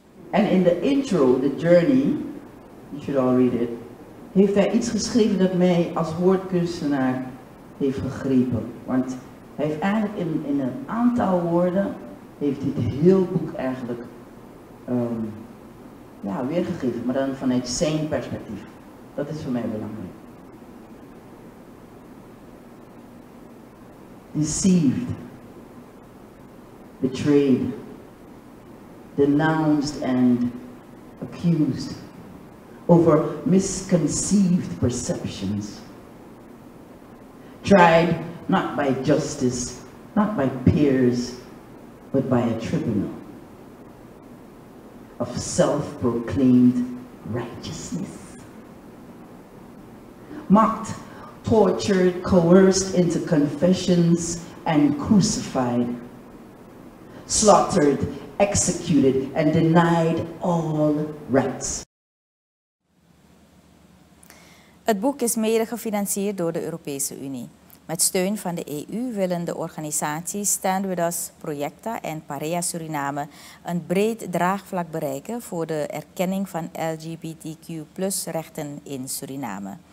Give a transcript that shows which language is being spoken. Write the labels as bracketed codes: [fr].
[nl] En in de intro, The Journey, [en] you should all read it, [nl] heeft hij iets geschreven dat mij als woordkunstenaar heeft gegrepen. Want hij heeft eigenlijk in een aantal woorden, heeft dit heel boek eigenlijk weergegeven. Maar dan vanuit zijn perspectief. Dat is voor mij belangrijk. [en] Deceived, betrayed, denounced and accused over misconceived perceptions, tried not by justice, not by peers, but by a tribunal of self-proclaimed righteousness, mocked, tortured, coerced into confessions, and crucified, slaughtered, executed, and denied all rights. [nl] Het boek is mede gefinancierd door de Europese Unie. Met steun van de EU willen de organisaties Stand With Us, Projecta en Parea Suriname een breed draagvlak bereiken voor de erkenning van LGBTQ+rechten in Suriname.